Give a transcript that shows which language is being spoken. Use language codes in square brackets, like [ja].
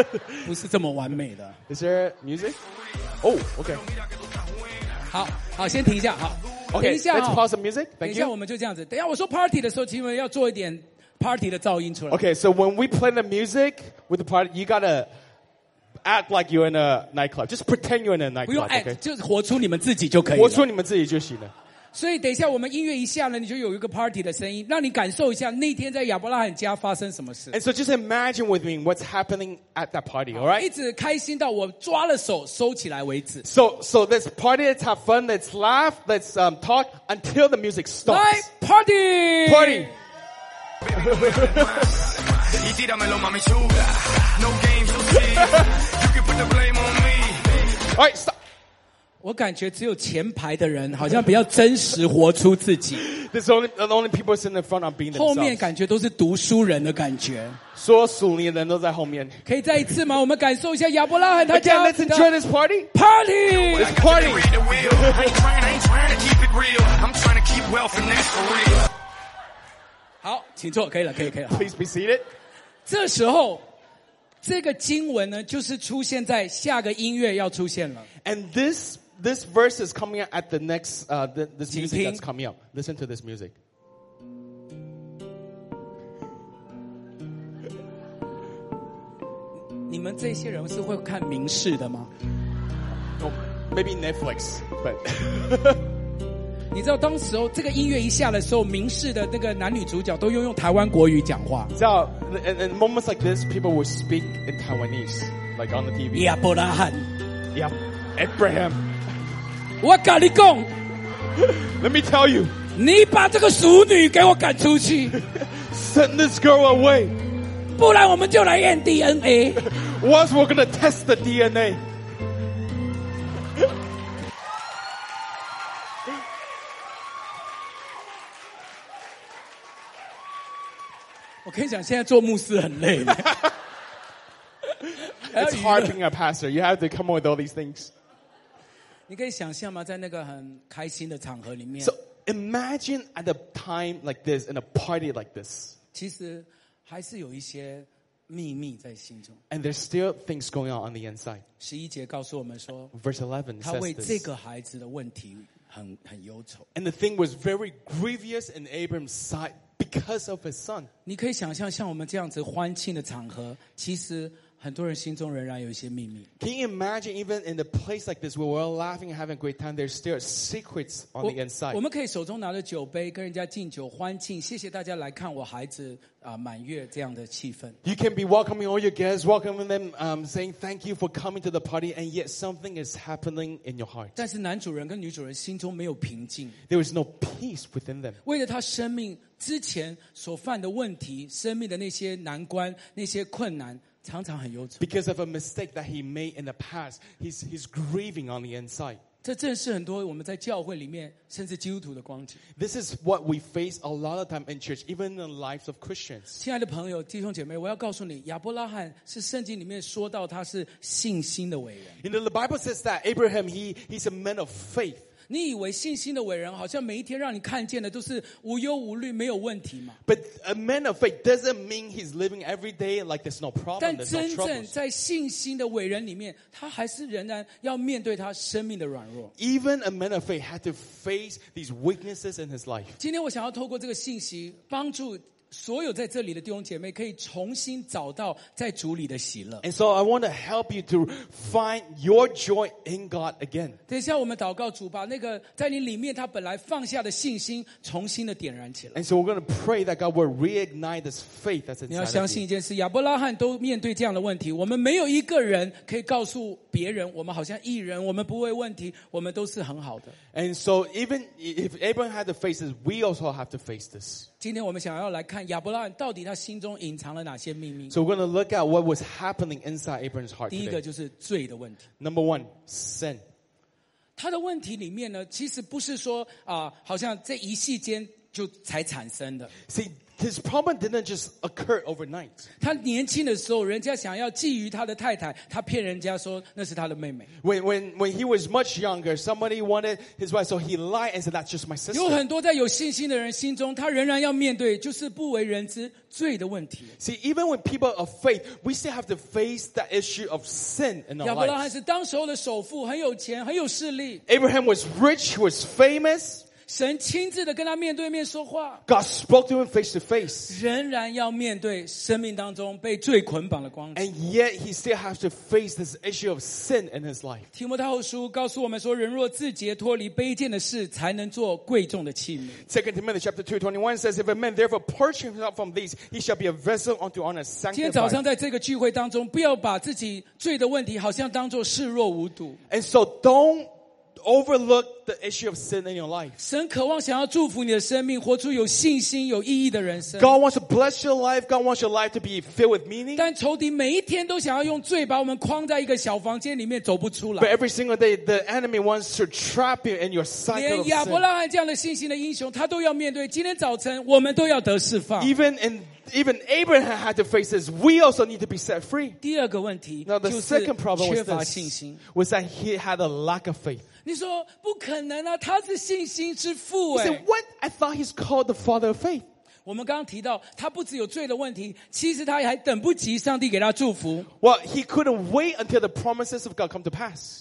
[zh] 教会还是有问题的啦，不是这么完美的。 [en] Is there music? Oh, okay. [zh] 好，先停一下，好，停一下。 [en] Okay, let's pause the music. Thank you. [zh] 等一下，我们就这样子。等一下，我说 party 的时候，请你们要做一点 party 的噪音出来。 [en] Okay, so when we play the music with the party, you gotta act like you're in a nightclub. Just pretend you're in a nightclub. [zh] 不用 act， 就活出你们自己就可以了。活出你们自己就行了。所以等一下我们音乐一下了，你就有一个 party 的声音，让你感受一下那天在亚伯拉罕家发生什么事。 [en] And so just imagine with me what's happening at that party, all right? [zh] 一直开心到我抓了手收起来为止。 [en] So let's party, let's have fun, let's laugh, let's talk until the music stops. [zh] 来 party! [en] Party! [es] Y tíramelo, mami chula. [en] No games, you see. You can put the blame on me. All right, stop. [zh] 我感觉只有前排的人好像比较真实活出自己。 [en] There's only, the only people sitting in front are being themselves. [zh] 后面感觉都是读书人的感觉。所有属灵的人都在后面。可以再一次吗？我们感受一下亚伯拉罕他家。 [en] Again, let's enjoy this party. Party! This party. I ain't trying to keep it real. I'm trying to keep wealth and that's for real. [zh] 好，请坐，可以了，可以，可以了。 [en] Please be seated. [zh] 这时候。这个经文呢，就是出现在下个音乐要出现了。 [en] And this verse is coming out at the next this music that's coming up. Listen to this music. [zh] 你们这些人是会看明视的吗？ [en] Oh, maybe Netflix, but. [zh] 你知道当时候这个音乐一下的时候，明视的那个男女主角都用台湾国语讲话。知道 [en] ，in moments like this, people will speak in Taiwanese, like on the TV. [zh] 亚伯拉罕 [en] ，Yep, Abraham. [zh] 我跟你讲 [en] ，Let me tell you. [zh] 你把这个俗女给我赶出去 [en] ，Send this girl away. [zh] 不然我们就来验 DNA. [en] Once we're gonna test the DNA. [zh] 我跟你讲，现在做牧师很累。 [en] It's hard being a pastor. You have to come up with all these things. [zh] 你可以想象吗？在那个很开心的场合里面。 [en] So imagine at a time like this, in a party like this. [zh] 其实还是有一些秘密在心中。 [en] And there's still things going on the inside. [zh] 十一节告诉我们说 [en] ，Verse 11 says this. [zh] 他为这个孩子的问题很忧愁。 [en] And the thing was very grievous in Abram's sight. Because of his son. [zh] 你可以想象像我们这样子欢庆的场合，其实很多人心中仍然有一些秘密。 [en] Can you imagine even in a place like this where we're all laughing and having a great time, there's still secrets on the inside. [zh] 我们可以手中拿着酒杯跟人家敬酒欢庆，谢谢大家来看我孩子满月这样的气氛。 [en] You can be welcoming all your guests, welcoming them, saying thank you for coming to the party, and yet something is happening in your heart. [zh] 但是男主人跟女主人心中没有平静。 [en] There is no peace within them. [zh] 为了他生命之前所犯的问题，生命的那些难关，那些困难。常常很忧愁 [en] Because of a mistake that he made in the past, he's grieving on the inside. [zh] 这正是很多我们在教会里面，甚至基督徒的光景 [en] This is what we face a lot of time in church, even in the lives of Christians. [zh] 亲爱的朋友，弟兄姐妹，我要告诉你，亚伯拉罕是圣经里面说到他是信心的伟人 [en] You know, the Bible says that Abraham, he's a man of faith. [zh] 你以为信心的伟人好像每一天让你看见的都是无忧无虑没有问题吗 [en] But a man of faith doesn't mean he's living every day like there's no problem, there's no troubles. [zh] 但真正在信心的伟人里面他还是仍然要面对他生命的软弱 [en] Even a man of faith had to face these weaknesses in his life. [zh] 今天我想要透过这个信息帮助所有在这里的弟兄姐妹可以重新找到在主里的喜乐。 [en] And so I want to help you to find your joy in God again. [zh] 等一下我们祷告主把那个在你里面他本来放下的信心重新的点燃起来。 [en] And so we're going to pray that God will reignite this faith that's inside. [zh] 你要相信一件事，亚伯拉罕都面对这样的问题，我们没有一个人可以告诉别人，我们好像艺人，我们不会问题，我们都是很好的。 [en] And so even if Abraham had to face this, we also have to face this. [zh] 今天我们想要来看亚伯拉罕到底他心中隐藏了哪些秘密。 [en] So we're going to look at what was happening inside Abraham's heart. [zh] 第一个就是罪的问题。 [en] Number one, sin. [zh] 他的问题里面呢，其实不是说好像这一夕间就才产生的。 [en] See, his problem didn't just occur overnight. [zh] 他年轻的时候，人家想要觊觎他的太太，他骗人家说那是他的妹妹。 [en] When he was much younger, somebody wanted his wife, so he lied and said that's just my sister. [zh] 有很多在有信心的人心中，他仍然要面对就是不为人知罪的问题。 [en] See, even when people of faith, we still have to face that issue of sin in our lives. [zh] 亚伯拉罕是当时候的首富，很有钱，很有势力。 [en] Abraham was rich, he was famous. [zh] 神亲自的跟他面对面说话。 [en] God spoke to him face to face. [zh] 仍然要面对生命当中被罪捆绑的光景。 [en] And yet he still has to face this issue of sin in his life. [zh] 提摩太后书告诉我们说，人若自洁脱离卑贱的事，才能做贵重的器皿。 [en] Second Timothy chapter 2:21 says, if a man therefore purge himself from these, he shall be a vessel unto honor, sanctified. [zh] 今天早上在这个聚会当中，不要把自己罪的问题好像当作视若无睹。 [en] And so don't overlook the issue of sin in your life. [zh] 神渴望想要祝福你的生命，活出有信心、有意义的人生。 [en] God wants to bless your life. God wants your life to be filled with meaning. [zh] 但仇敌每一天都想要用罪把我们框在一个小房间里面，走不出来。 [en] But every single day, the enemy wants to trap you in your cycle of sin. [zh] 连亚伯拉罕这样的信心的英雄，他都要面对。今天早晨，我们都要得释放。 [en] Even Abraham had to face this. We also need to be set free. [zh] 第二个问题， [en] Now, the second problem was this, was that he had a lack of faith. [zh] 你说不可能啊，他是信心之父。 [en] He said, what? I thought he's called the father of faith. [zh] 我们刚刚提到，他不只有罪的问题，其实他还等不及上帝给他祝福。 [en] Well, he couldn't wait until the promises of God come to pass.